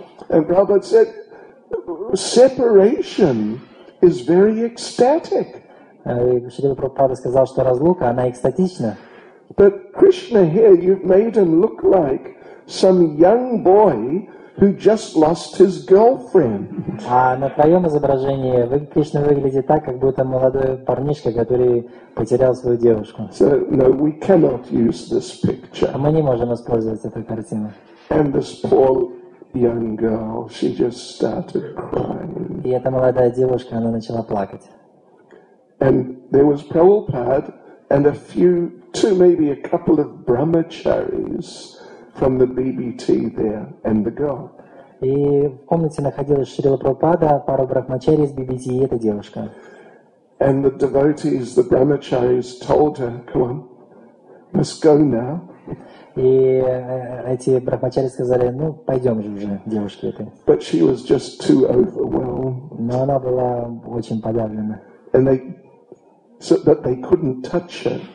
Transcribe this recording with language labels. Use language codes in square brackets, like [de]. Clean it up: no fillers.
[en] And Prabhupada said, separation is very ecstatic. [ru] Шрила Прабхупада сказал, что разлука, она экстатична. [en] But Krishna here, you've made him look like some young boy who just lost his girlfriend. [ru] А на твоем изображении Кришна выглядит так, как будто молодой парнишка, который потерял свою девушку. [en] So, no, we cannot use this picture. [ru] Мы не можем использовать эту картину. [en] And this poor young girl, she just started crying. [ru] И эта молодая девушка, она начала плакать. [en] And there was Prabhupada and a few, two, maybe a couple of brahmacharis from the BBT there and the girl. [ru] И в комнате находилась Шрила Прабхупада, пара брахмачари из BBT и эта девушка. [en] And the devotees, the brahmacharis told her, come on, let's go now. [ru] И эти брахмачари сказали, ну, пойдем же уже, девушке этой. [en] But she was just too overwhelmed. [ru] Но она была очень подавлена. [en] And they, so that they couldn't touch her.